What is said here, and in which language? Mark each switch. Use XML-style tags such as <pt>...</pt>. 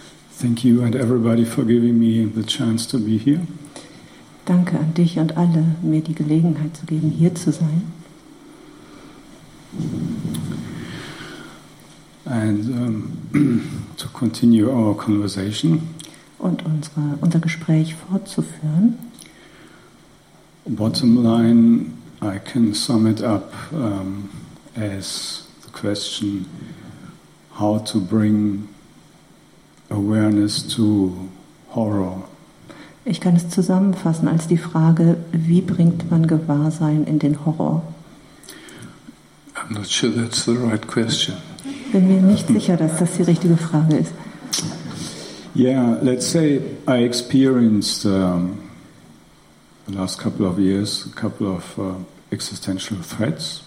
<en>Thank you and everybody for giving me the chance to be here.</en> <de>Danke an dich und alle, mir die Gelegenheit zu geben, hier zu sein.</de> <en>And to continue our conversation.</en> <de>Und unser Gespräch fortzuführen.</de> <en>Bottom line, I can sum it up as the question, how to bring awareness to horror.</en> <de>Ich kann es zusammenfassen als die Frage, wie bringt man Gewahrsein in den Horror?</de> <en>I'm not sure that's the right question.</en> <de>Bin mir nicht sicher, dass das die richtige Frage ist.</de> <en>Yeah, let's say I experienced the last couple of years a couple of existential threats.</en>